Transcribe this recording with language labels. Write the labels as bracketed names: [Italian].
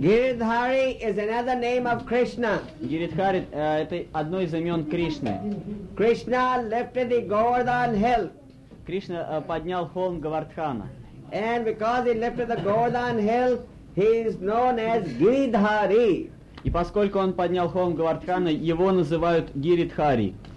[English] Giridhari is another name of Krishna. [Russian] Giridhari это одно из имен Кришны. [English] Krishna lifted the Govardhan hill. [Russian] Кришна поднял холм Говардхана. [English] And because he lifted the Govardhan hill, he is known as Giridhari. [Russian] И поскольку он поднял холм Говардхана, его называют Giridhari.